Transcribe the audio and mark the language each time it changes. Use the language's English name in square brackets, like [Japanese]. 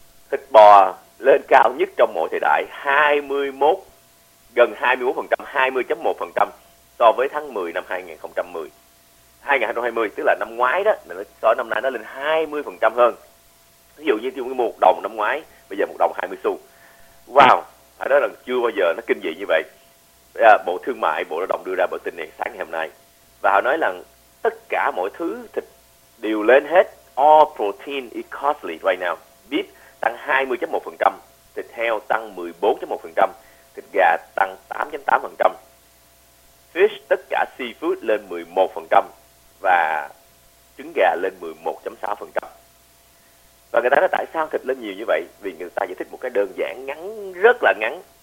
[Vietnamese] Thịt bò lên cao nhất trong mọi thời đại, 21, gần 21%, 20.1% so với tháng 10 năm 2020, tức là năm ngoái đó, so với năm nay nó lên 20% hơn. Ví dụ như tiêu một đồng năm ngoái, bây giờ một đồng 20 xu. Wow, phải nói là chưa bao giờ nó kinh dị như vậy. Bộ Thương mại, Bộ Lao động đưa ra bản tin này sáng ngày hôm nay. Và họ nói là tất cả mọi thứ thịt đều lên hết. [English] All protein is costly right now. [Vietnamese] Beef tăng 20.1%, thịt heo tăng 14.1%, thịt gà tăng 8.8%. Fish, tất cả seafood lên 11%, và trứng gà lên 11.6%. Và người ta nói tại sao thịt lên nhiều như vậy? Vì người ta giải thích một cái đơn giản, ngắn, rất là ngắn.